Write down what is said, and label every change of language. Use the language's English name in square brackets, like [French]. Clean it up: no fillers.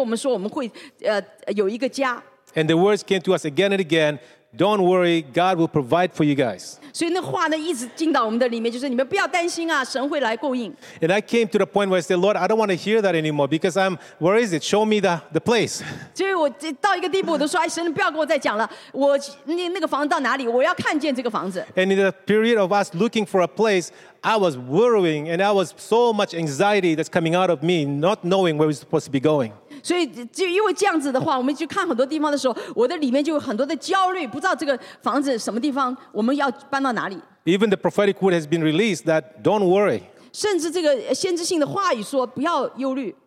[Chinese] 但是呢,就是在这个家里面呢,还有在这个家外有很多先知性的预言跟我们说我们会有一个家。 [English] And the words came to us again and again, don't worry, God will provide for you guys. [Chinese] 所以那话呢,一直进到我们的里面,就是你们不要担心啊,神会来供应。 [English] And I came to the point where I said, Lord, I don't want to hear that anymore because I'm, where is it? Show me the place. [Chinese] 所以我到一个地步我都说,神不要跟我再讲了,那个房子到哪里,我要看见这个房子。 [English] And in the period of us looking for a place, I was worrying and I was so much anxiety that's coming out of me, not knowing where we're supposed to be going. [Chinese] 所以就因为这样子的话,我们去看很多地方的时候,我的里面就有很多的焦虑,不知道这个房子什么地方,我们要搬到哪里。 [English] Even the prophetic word has been released that don't worry. [Chinese] 甚至这个先知性的话语说,不要忧虑。